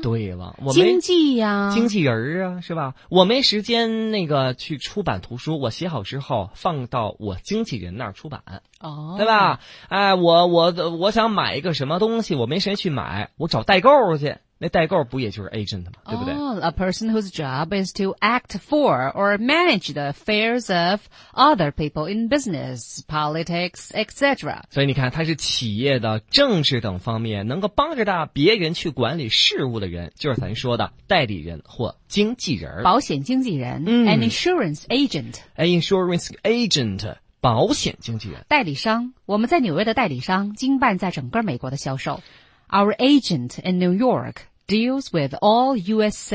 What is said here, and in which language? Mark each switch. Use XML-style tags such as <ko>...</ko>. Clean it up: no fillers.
<zh>对了，我没经纪呀、啊，经纪人啊，是吧？我没时间那个去出版图书，我写好之后放到我经纪人那儿出版哦，对吧？哎，我想买一个什么东西，我没时间去买，我找代购去。那代购不也就是 agent 吗？对不对、</zh> <en>oh, ？A person whose job is to act for or manage the affairs of other people in business, politics, etc.</en> <zh>所以你看，他是企业的政治等方面能够帮着别人去管理事务的人，就是咱说的代理人或经纪人，保险经纪人、嗯、</zh> <en>，an insurance agent，an insurance agent。</en> <zh>保险经纪人，代理商，我们在纽约的代理商经办在整个美国的销售。</zh> <en>Our agent in New York deals with all U.S.</en>